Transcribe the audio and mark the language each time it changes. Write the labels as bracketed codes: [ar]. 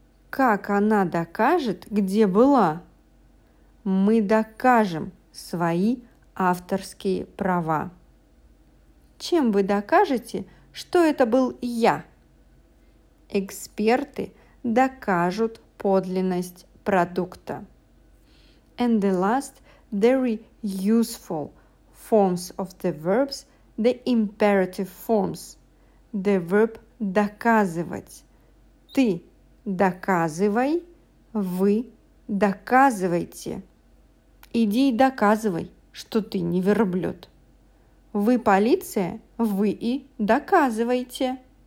[ru] Как она докажет, где была? Мы докажем свои авторские права. Чем вы докажете, что это был я? Эксперты докажут подлинность продукта. [en] And the last very useful forms of the verbs, the imperative forms. The verb доказывать. [ru] Ты доказывай, вы доказывайте. Иди и доказывай, что ты не верблюд. Вы полиция, вы и доказывайте.